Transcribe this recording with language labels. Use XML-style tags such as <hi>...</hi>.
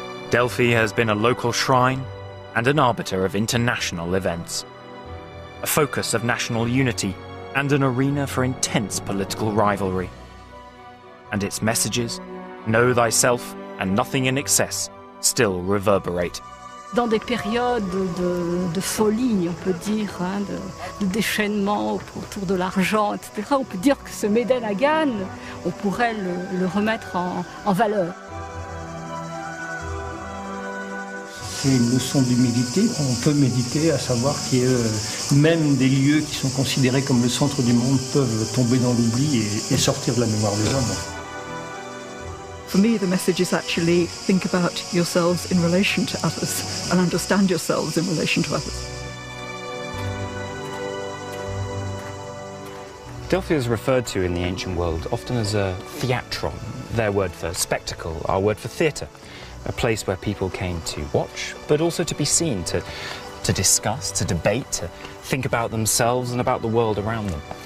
<en>Delphi has been a local shrine and an arbiter of international events, a focus of national unity and an arena for intense political rivalry. And its messages, know thyself and nothing in excess, still reverberate.</en> <fr>Dans des périodes de folie, on peut dire, hein, de déchaînement autour de l'argent, etc., on peut dire que ce médaille à Gannes, on pourrait le remettre en valeur. C'est une leçon d'humilité. On peut méditer à savoir que même des lieux qui sont considérés comme le centre du monde peuvent tomber dans l'oubli et sortir de la mémoire des hommes.</fr> <en>For me, the message is actually think about yourselves in relation to others and understand yourselves in relation to others. Delphi is referred to in the ancient world often as a theatron, their word for spectacle, our word for theatre, a place where people came to watch, but also to be seen, to discuss, to debate, to think about themselves and about the world around them.</en>